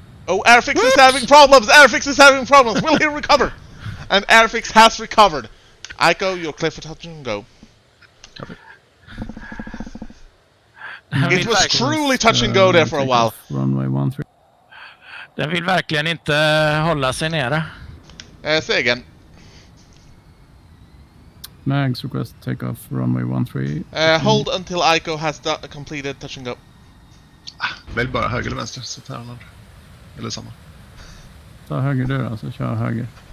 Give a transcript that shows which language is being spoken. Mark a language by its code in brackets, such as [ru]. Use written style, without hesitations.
[en] Oh, Airfix is having problems! Airfix is having problems! Will he recover? And Airfix has recovered. Iko, you're clear for touch and go. Copy. It was truly touch and go there for a while. Runway 1-3. [sv] Den vill verkligen inte hålla sig nere. Se igen. [en] Mags request take off runway 1-3. Hold until Iko has completed touch and go. [sv] Välj bara höger eller vänster, så tar han andra. Eller samma. Ta höger du då, så kör höger.